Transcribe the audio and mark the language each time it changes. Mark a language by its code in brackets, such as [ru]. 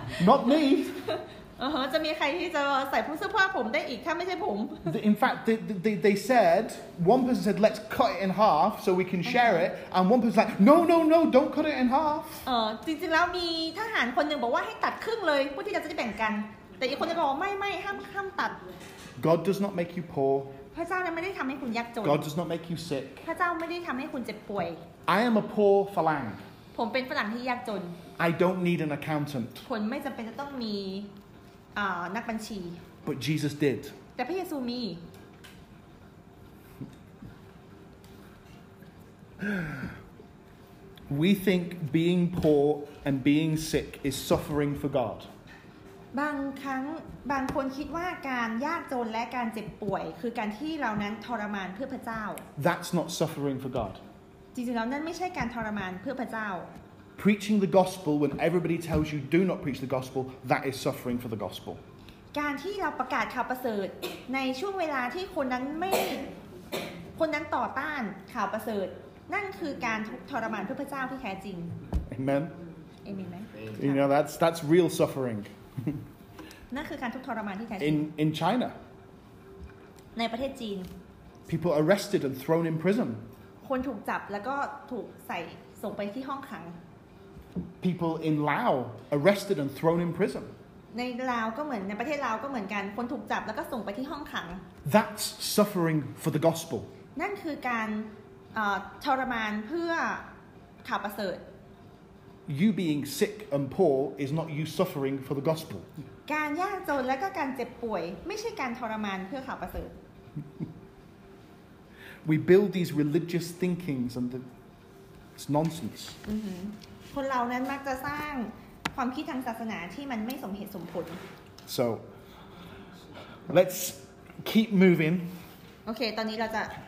[en] Not me. [th] จะมีใครที่จะใส่ผู้เสื้อผ้าผมได้อีกถ้าไม่ใช่ผม [en] In fact, they said one person said let's cut it in half so we can share it, and one person like no, don't cut it in half. [th] จริงๆแล้วมีทหารคนหนึ่งบอกว่าให้ตัดครึ่งเลยเพื่อที่จะได้แบ่งกันแต่อีกคนก็บอกไม่ห้ามตัด [en] God does not make you poor. [th] พระเจ้าไม่ได้ทำให้คุณยากจน [en] God does not make you sick. [th] พระเจ้าไม่ได้ทำให้คุณเจ็บป่วย [en] I am a poor phalang. [th] ผมเป็นฝรั่งที่ยากจน [en] I don't need an accountant. [th] คนไม่จำเป็นจะต้องมีนักบัญชี [en] But Jesus did. [th] แต่พระเยซูมี [en] We think being poor and being sick is suffering for God. [th] บางครั้งบางคนคิดว่าการยากจนและการเจ็บป่วยคือการที่เรานั้นทรมานเพื่อพระเจ้า [en] That's not suffering for God. [th] จริงๆแล้วนั่นไม่ใช่การทรมานเพื่อพระเจ้า [en] Preaching the gospel when everybody tells you do not preach the gospel that is suffering for the gospel [th] การที่เราประกาศข่าวประเสริฐในช่วงเวลาที่คนนั้นไม่คนนั้นต่อต้านข่าวประเสริฐนั่นคือการทรมานเพื่อพระเจ้าที่แท้จริง [en] Amen Amen You know that's real suffering [th] นั่นคือการทุกข์ทรมานที่แท้จ ริง [en] In China [th] ในประเทศจีน [en] People arrested and thrown in prison [th] คนถูกจับแล้วก็ถูกใส่ส่งไปที่ห้องขัง [en] People in Lao arrested and thrown in prison [th] ในลาวก็เหมือนในประเทศลาวก็เหมือนกันคนถูกจับแล้วก็ส่งไปที่ห้องขัง [en] That's suffering for the gospel [th] นั่นคือการทรมานเพื่อข่าวประเสริฐ [en] You being sick and poor is not you suffering for the gospel [th] การยากจนและก็การเจ็บป่วยไม่ใช่การทรมานเพื่อข่าวประเสริฐ [en] We build these religious thinkings and it's nonsense. [th] คนเรานั้นมักจะสร้างความคิดทางศาสนาที่มันไม่สมเหตุสมผล [en] So let's keep moving. [th] Okay, ตอนนี้เราจะ